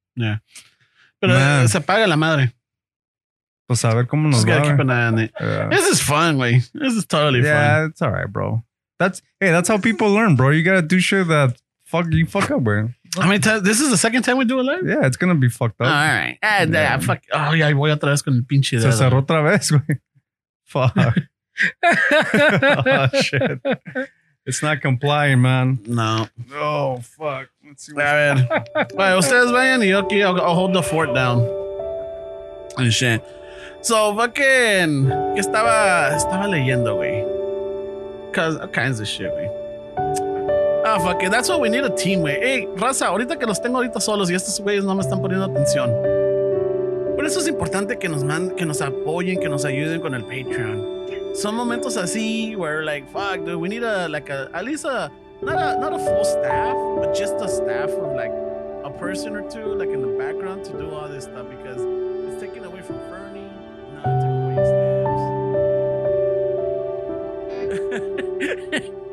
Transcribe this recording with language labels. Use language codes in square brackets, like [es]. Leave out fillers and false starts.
[es] Yeah. But se apaga la madre. Pues a ver cómo nos [en] va. Just gotta keep an eye on it. Yeah. This is fun, güey. This is totally fun. Yeah, it's all right, bro. That's how people learn, bro. You gotta do shit that you fuck up, bro. I mean, this is the second time we do a live? Yeah, it's gonna be fucked up. All right. [es] Yeah, voy otra vez con el pinche dedo. Se cerró otra vez, güey. Fuck. Oh, shit. [en] It's not complying, man. No. Oh, fuck. Let's see. All right. Well, [es] ustedes vayan y [en] I'll hold the fort down. And shit. So, fucking... [es] Estaba leyendo, güey. [en] Because all kinds of shit, güey. Ah, fuck it. That's what we need a team, güey. [es] Hey, raza, ahorita que los tengo ahorita solos y estos güeyes no me están poniendo atención. Por eso es importante que nos manden, que nos apoyen, que nos ayuden con el Patreon. Son momentos así [en] where like, fuck, dude, we need a, like a, at least a, not a, not a full staff, but just a staff of like a person or two, like in the background to do all this stuff, because it's taken away from Fernie, not to waste steps.